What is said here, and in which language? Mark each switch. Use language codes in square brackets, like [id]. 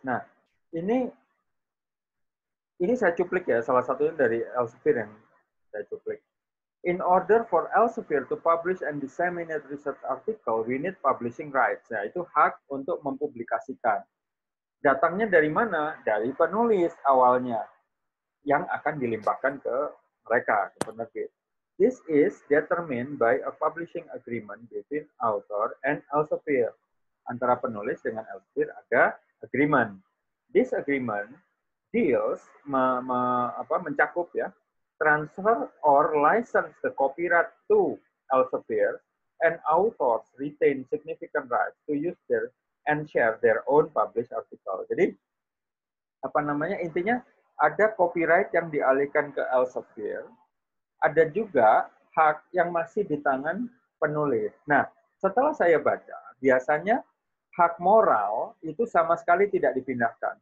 [id] Nah, ini saya cuplik ya, salah satunya dari Elsevier yang saya cuplik. [en] In order for Elsevier to publish and disseminate research article, we need publishing rights. [id] Nah, itu hak untuk mempublikasikan. Datangnya dari mana? Dari penulis awalnya yang akan dilimpahkan ke mereka, ke penerbit. [en] This is determined by a publishing agreement between author and Elsevier. [id] Antara penulis dengan Elsevier ada agreement. [en] This agreement deals [id] mencakup ya [en] transfer or license the copyright to Elsevier and authors retain significant rights to use their and share their own published article. [id] Jadi apa namanya, intinya ada copyright yang dialihkan ke Elsevier, ada juga hak yang masih di tangan penulis. Nah, setelah saya baca, biasanya hak moral itu sama sekali tidak dipindahkan.